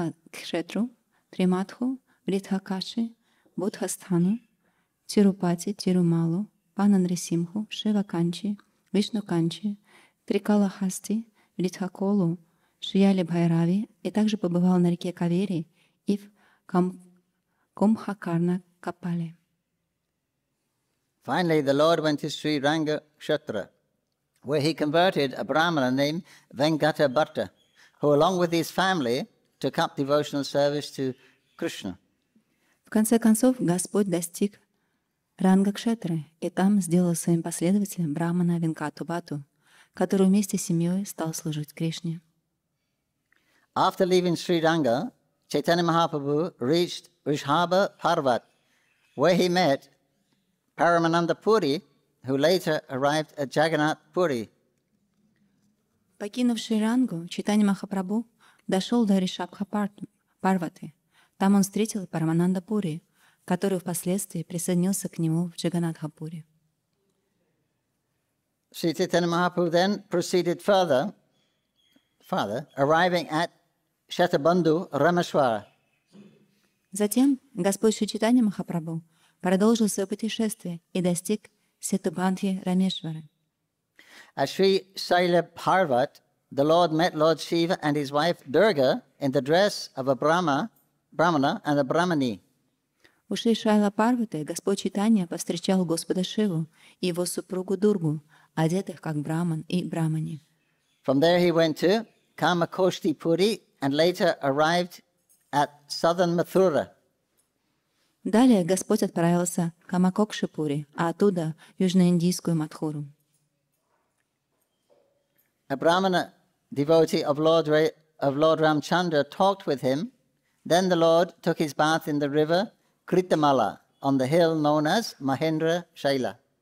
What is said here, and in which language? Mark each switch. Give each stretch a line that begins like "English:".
Russian: Кхетру, Триматху, Вридхакаши, Будхастану, Тирупати, Тирумалу, Пана Нрисимху, Шива Канчи, Вишну Канчи, Трикала Хасти, Вридхаколу, Шияли Бхайрави и также побывал на реке Кавери и в Кумхакарна Капале.
English: Finally, the Lord went to Sri Ranga Kshatra, where he converted a Brahmana named Vengata Bhatta, who along with his family took up devotional service to Krishna.
Russian: В конце концов, Господь достиг Ранга Кшетры и там сделал своим последователем Брахмана Венкату Бхатту, который вместе с семьей стал служить Кришне.
English: After leaving Sri Ranga, Chaitanya Mahaprabhu reached Rishabha Parvat, where he met Paramananda Puri, who later arrived at Jagannath Puri.
Russian: Покинув Шри Рангу, Чайтанья Махапрабху дошел до Ришабха Парваты. Там он встретил Парамананда Пури, который впоследствии присоединился к нему в Джаганнатха Пури.
English: Шри Чайтанья Махапрабху then proceeded farther, arriving at Шатабанду Рамешвара.
Russian: Затем Господь Шри Чайтанья Махапрабху продолжил свое путешествие и достиг Сетубандхи Рамешвары.
English: At Sri Saila Parvat, the Lord met Lord Shiva and his wife Durga in the dress of a Brahmana and a Brahmani.
Russian: У Шри Сайла Парваты Господь Чайтанья повстречал Господа Шиву и его супругу Дургу, одетых как Брахман и Брахмани.
English: From there he went to Kamakoshti Puri and later arrived at southern Mathura.
Russian: Далее Господь отправился к Камакокшипури, а оттуда – в южноиндийскую Матхуру.
English: A Brahmana devotee of Lord Ramchandra talked with him. Then the Lord took his bath in the river Kritamala on the hill known as Mahendra Shaila.